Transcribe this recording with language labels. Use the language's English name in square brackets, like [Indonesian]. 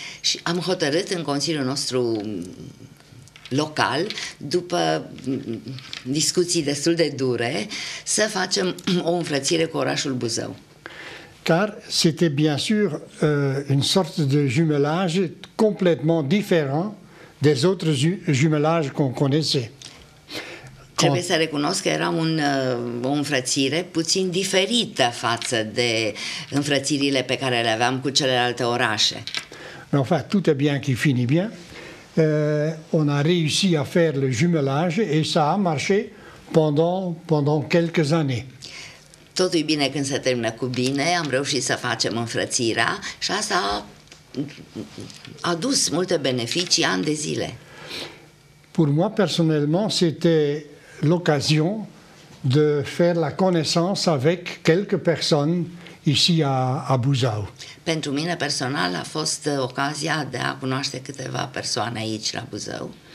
[Romanian] Și am hotărât în consiliul nostru local, după discuții destul de dure, să facem o înfrățire cu orașul Buzău. [French] Car c'était bien sûr une sorte de jumelage complètement différent des autres jumelages qu'on connaissait. [Romanian] Trebuie să recunosc că era o înfrățire puțin diferită față de înfrățirile pe care le aveam cu celelalte orașe. [French] Mais enfin, tout est bien qui finit bien. On a réussi à faire le jumelage et ça a marché pendant quelques années. [Romanian] Totul e bine când se termină cu bine, am reușit să facem înfrățirea și asta a dus multe beneficii ani de zile. [French] Pour moi personnellement, c'était l'occasion de faire la connaissance avec quelques personnes [Romanian] și a Buzău. Pentru mine personal a fost ocazia de a cunoaște câteva persoane aici la Buzău.